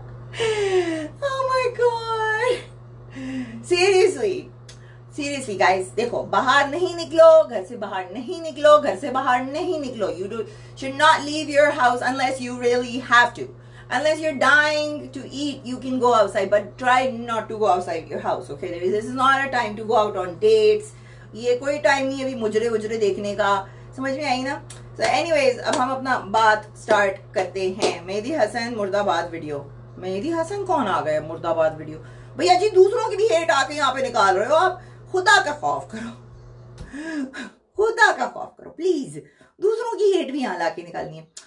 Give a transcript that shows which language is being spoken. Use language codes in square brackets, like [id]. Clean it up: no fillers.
[hi] Oh my God, seriously seriously guys, देखो बाहर नहीं निकलो, घर से बाहर नहीं निकलो, घर से बाहर नहीं निकलो। [en] You do should not leave your house unless you really have to. Unless you're dying to eat, you can go outside, but try not to go outside your house, okay? This is not a time to go out on dates. [hi] ये कोई time नहीं है अभी मुजरे उजरे देखने का, समझ में आई ना? [en] So anyways, [hi] अब हम अपना बात start करते हैं। मेहदी हसन मुर्दाबाद video। मेहदी हसन कौन आ गए मुर्दाबाद video? भैया जी, दूसरों की भी hate आके यहाँ पे निकाल रहे हो आप, खुदा का खौफ करो, खुदा का खौफ करो प्लीज, दूसरों की हेट भी यहाँ ला के निकालनी है।